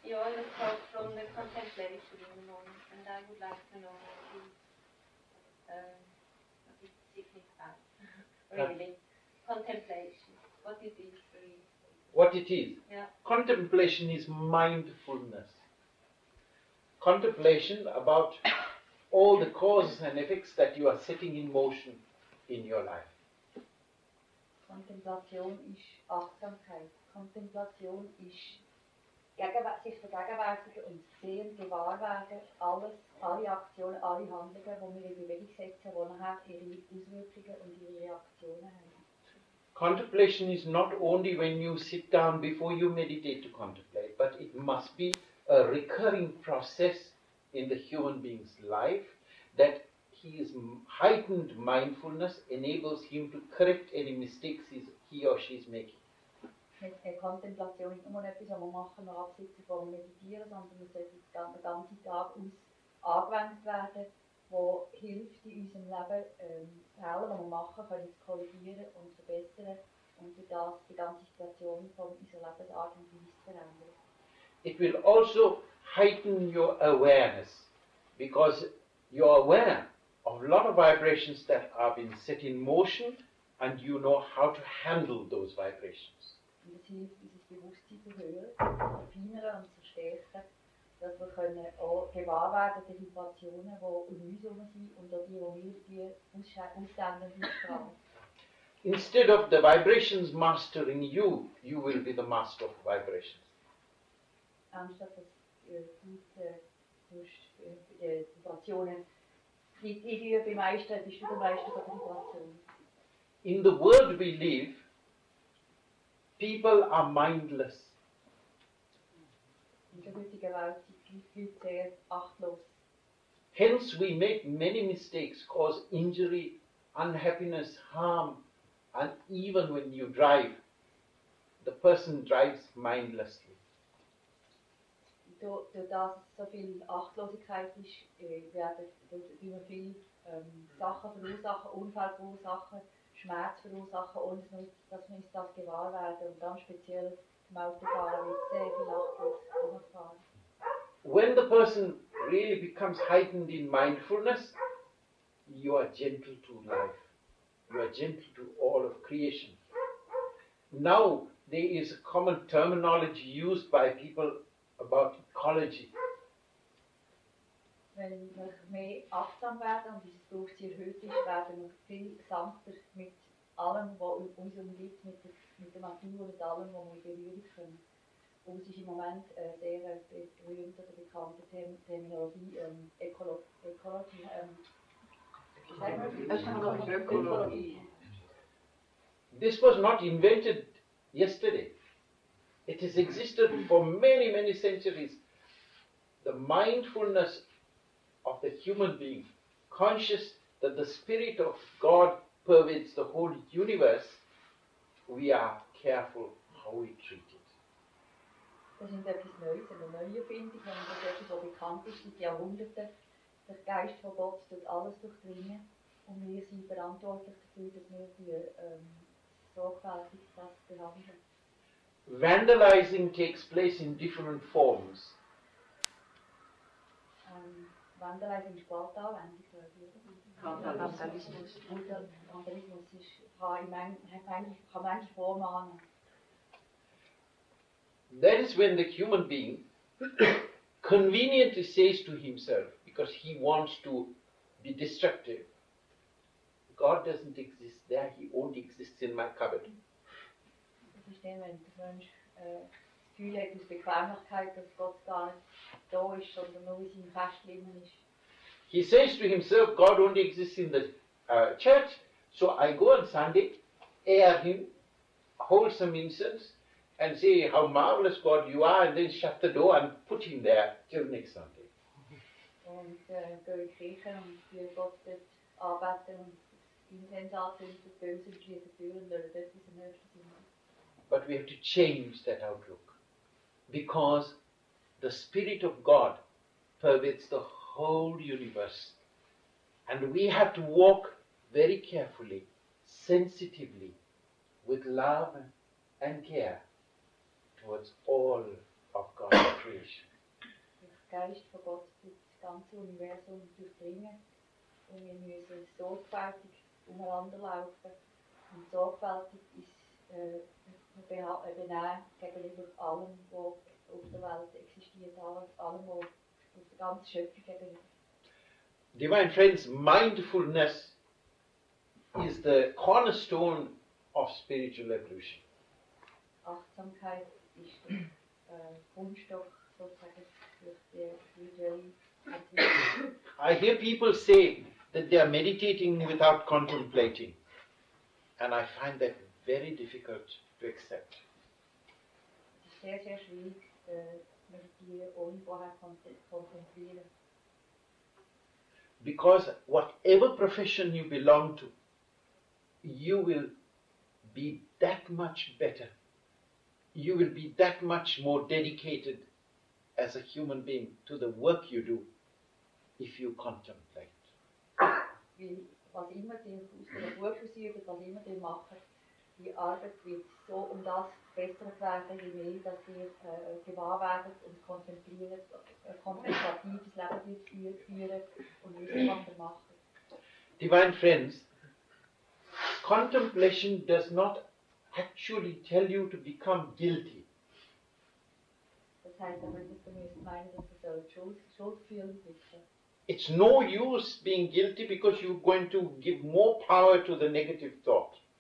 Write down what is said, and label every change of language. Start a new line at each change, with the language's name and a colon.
English: especially in the morning, and I would like to know if you what is significant, really, contemplation. What it is for you? What it is? Yeah. Contemplation is mindfulness. Contemplation about all the causes and effects that you are setting in motion in your life.
German: Contemplation ist Achtsamkeit. Contemplation ist sich vergegenwärtigen und sehen, gewahr werden, alles, alle Aktionen, alle Handlungen, die wir in Bewegung setzen, die nachher ihre Auswirkungen und ihre Reaktionen haben.
English: Contemplation is not only when you sit down before you meditate to contemplate, but it must be a recurring process in the human being's life, that his heightened mindfulness enables him to correct any mistakes he or she is making. Contemplation is not only something that we do when we sit down and meditate, but it should be the whole day
German: angewendet werden,
English: that helps in our life.
German: Fehler, die wir machen, können zu korrigieren und verbessern und durch das die ganze Situation von unserer Lebensart und Weise verändern.
English: It will also heighten your awareness, because you're aware of a lot of vibrations that have been set in motion and you know how to handle those vibrations.
German: Und es hilft, dieses Bewusstsein zu hören, zu verfeinern und zu stärken, dass wir können auch gewahr werden, die Situationen, die um uns herum sind und auch die, die wir aussenden, ausstrahlen.
English: Instead of the vibrations mastering you, you will be the master of vibrations.
German: Anstatt dass du die Situationen bemeistern, bist du der Meister der Situation.
English: In the world we live, people are mindless.
German: In der heutigen Welt sehr achtlos.
English: Hence we make many mistakes, cause injury, unhappiness, harm, and even when you drive, the person drives mindlessly.
German: Durch das so viel Achtlosigkeit ist, werden wir viele Sachen verursachen, Unfall verursachen, Schmerz verursachen, ohne dass wir uns das gewahr werden. Und dann speziell beim Autofahren wird sehr viel achtlos umfahren.
English: When the person really becomes heightened in mindfulness, you are gentle to life. You are gentle to all of creation. Now, there is a common terminology used by people about ecology. When we are
German: achtsam werden und dieses Bewusstsein erhöht ist, werden wir viel gesamter mit allem, was in uns umgibt, mit der Natur und allem, was wir berühren können. Und es ist im Moment sehr berühmte oder bekannte Terminologie, Ökologie.
English: This was not invented yesterday. It has existed for many, many centuries. The mindfulness of the human being, conscious that the spirit of God pervades the whole universe, we are careful how we treat it.
German: Das ist etwas Neues, eine Neuerfindung, wenn man das so bekannt ist, seit Jahrhunderten. Der Geist von Gott tut alles durchdringen und wir sind verantwortlich dafür, dass wir die sorgfältig das behandeln.
English: Vandalizing takes place in different forms.
German: Vandalizing ist bald anwendig, glaube ich. Vandalismus. Vandalismus kann manche Form annehmen.
English: That is when the human being conveniently says to himself, because he wants to be destructive, God doesn't exist there, he only exists in my cupboard.
German: Das ist dann, wenn der Mensch das Gefühl hat aus Bequemlichkeit, dass Gott gar nicht da ist, sondern nur in seinem Kästchen ist.
English: He says to himself, God only exists in the church, so I go on Sunday, air him, hold some incense, and say how marvelous God you are, and then shut the door and put him there till next Sunday. And go in the church and God that arbeite and intense arbeite and go to the church and learn that is the next thing. But we have to change that outlook, because the Spirit of God pervades the whole universe, and we have to walk very carefully, sensitively, with love and care towards all of God's creation.
German: Ich Geist von Gott durch das ganze Universum durchdringen. Und wir müssen sorgfältig umeinander laufen und sorgfältig uns gegenüber allem, was auf der Welt existiert, allem, was auf der ganzen Schöpfung gegenüber.
English: Divine Friends, Mindfulness is the cornerstone of spiritual evolution.
German: Achtsamkeit ist der Grundstoff sozusagen für die spirituelle Entwicklung.
English: I hear people say that they are meditating without contemplating, and I find that very difficult to accept.
German: Es ist sehr, sehr schwierig, meditieren ohne vorher kontemplieren.
English: Because whatever profession you belong to, you will be that much better. You will be that much more dedicated as a human being to the work you do if you contemplate.
German: Was immer die Berufe ausüben, was immer die machen, die Arbeit wird so um das besser werden, je mehr dass ihr gewahr werdet und kontemplieren, kontemplatives Leben führen und nichts machen.
English: Divine Friends, contemplation does not actually tell you to become guilty.
German: Das heißt aber nicht, dass ihr meint, dass ihr Schuld fühlen müsst.
English: It's no use being guilty because you're going to give more power to the negative thought.